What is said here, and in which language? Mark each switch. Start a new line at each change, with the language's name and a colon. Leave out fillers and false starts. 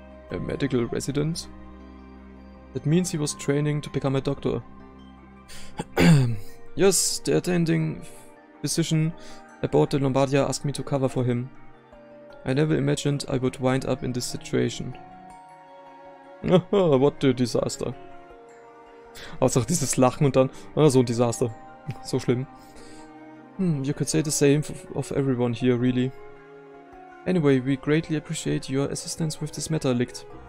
English: A medical resident? That means he was training to become a doctor. Yes, the attending physician aboard the Lombardia asked me to cover for him. I never imagined I would wind up in this situation. What a disaster.
German: Also dieses Lachen und dann, oh, so ein Desaster. So schlimm.
English: You could say the same of everyone here, really. Anyway, we greatly appreciate your assistance with this matter, Licht.